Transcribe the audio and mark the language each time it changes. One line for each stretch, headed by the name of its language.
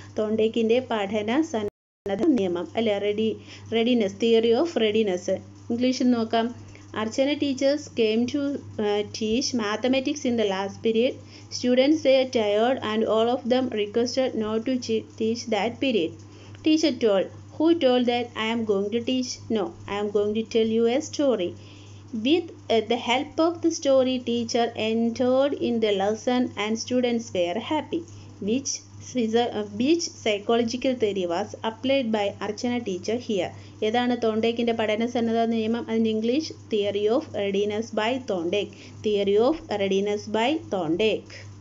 Malayalam: തോണ്ടേക്കിൻ്റെ പഠന സന്നദ്ധ നിയമം, അല്ലെ, റെഡിനെസ്, തിയറി ഓഫ് റെഡിനെസ്. ഇംഗ്ലീഷിൽ നോക്കാം.
English: Archana teachers came to teach mathematics in the last period. Students were tired and all of them requested not to teach that period. Teacher told, who told that I am going to teach? No, I am going to tell you a story. With the help of the story, teacher entered in the lesson and students were happy. Which psychological theory was applied by Archana teacher here?
Malayalam: ഏതാണ് തോണ്ടേക്കിൻ്റെ പഠന സന്നദ്ധ നിയമം? അതിൻ്റെ English,
English: Theory of readiness by Thorndike.
Malayalam: Theory of readiness by Thorndike.